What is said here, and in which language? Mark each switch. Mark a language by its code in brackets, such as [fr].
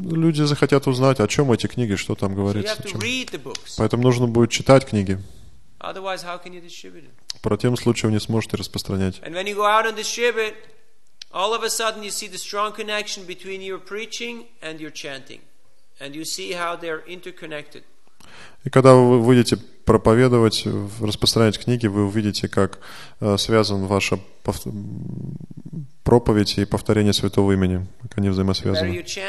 [ru] Люди захотят узнать, о чем эти книги, что там говорится. [en] So you have to read the books. [ru] Поэтому нужно будет читать книги. [en] Otherwise, how can you distribute it? [ru] В противном случае вы не сможете распространять. [en] And when you go out and distribute, all of a sudden you see the strong connection between your preaching and your chanting, and you see how they're interconnected. [ru] И когда вы выйдете проповедовать, распространять книги, вы увидите, как связан ваша проповедь и повторение святого имени, как они взаимосвязаны.